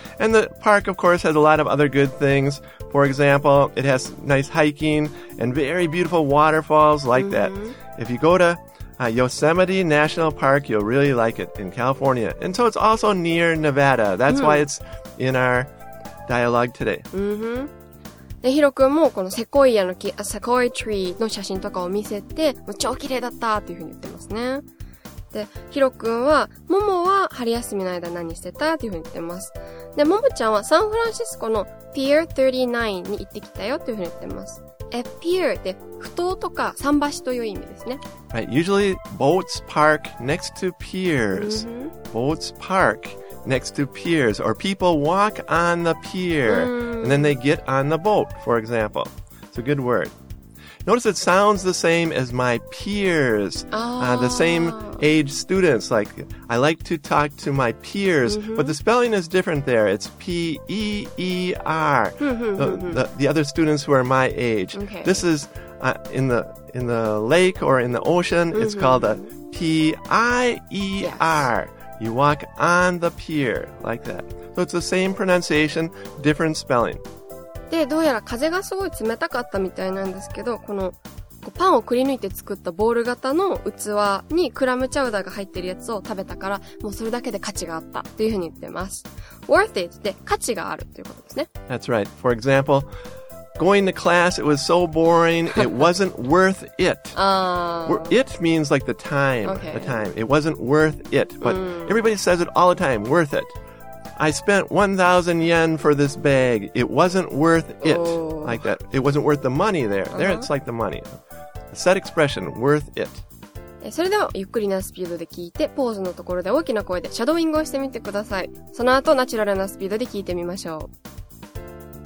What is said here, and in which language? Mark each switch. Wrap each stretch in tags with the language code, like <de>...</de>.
<en>And the park, of course, has a lot of other good things. For example, it has nice hiking and very beautiful waterfalls like that. If you go to Yosemite National Park, you'll really like it in California. And so it's also near Nevada. That's why it's in our... dialogue today.</en> <ja>で、ヒロ君もこのセコイアの木、セコイトリーの写真とかを見せて、もう超綺麗だったっていうふうに言ってますね。で、ヒロ君は、モモは春休みの間何してたっていうふうに言ってます。で、モモちゃんはサンフランシスコのピア39に行ってきたよっていうふうに言ってます。ピアって、埠頭とか桟橋という意味ですね。</ja> <en>Right, usually boats park next to piers. Boats park. Next to piers, or people walk on the pier, and then they get on the boat, for example. It's a good word. Notice it sounds the same as my peers, the same age students. Like, I like to talk to my peers, but the spelling is different there. It's P-E-E-R, the other students who are my age. Okay. This is in the lake or in the ocean, mm-hmm. it's called a P-I-E-R. Yes. You walk on the pier, like that. So it's the same pronunciation, different spelling.</en> <ja>で、どうやら風がすごい冷たかったみたいなんですけど、このパンをくり抜いて作ったボール型の器にクラムチャウダーが入ってるやつを食べたから、もうそれだけで価値があったというふうに言ってます。 Worth it で価値があるということですね。</ja> <en>That's right. For example, going to class, it was so boring, it wasn't worth it. It means like the time,、 okay. the time. It wasn't worth it. But、everybody says it all the time, worth it. I spent 1,000 yen for this bag. It wasn't worth it.、Like that. It wasn't worth the money there.、Uh-huh. There it's like the money. A set expression, worth it.</en> <ja>それではゆっくりなスピードで聞いて、ポーズのところで大きな声でシャドウイングをしてみてください。その後、ナチュラルなスピードで聞いてみましょう。</ja>